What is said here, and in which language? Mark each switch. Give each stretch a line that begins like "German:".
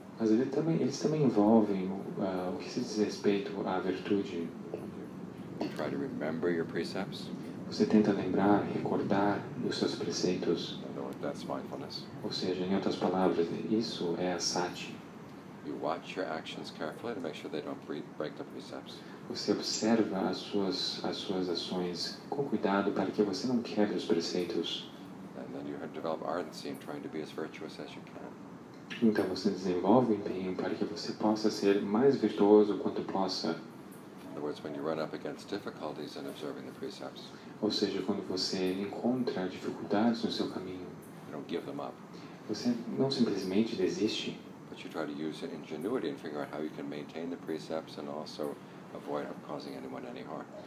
Portuguese: Mas eles também envolvem o que se diz respeito à virtude.
English: You try to remember your precepts.
Portuguese: Você tenta lembrar, recordar os seus preceitos.
English: That's mindfulness.
Portuguese: Ou seja, em outras palavras, isso é a sati.
English: You watch your actions carefully to make sure they don't break the precepts.
Portuguese: Você observa as suas ações com cuidado para que você não quebre os preceitos.
English: And then you have developed ardency in trying to be as virtuous as you can.
Portuguese: Então você desenvolve empenho para que você possa ser mais virtuoso quanto possa.
English: In other words, when you run up against difficulties in observing the precepts.
Portuguese: Ou seja, quando você encontra dificuldades no seu caminho,
English: you don't give them up.
Portuguese: Você não simplesmente desiste.
English: But you try to use your ingenuity and figure out how you can maintain the precepts and also avoid causing anyone any harm.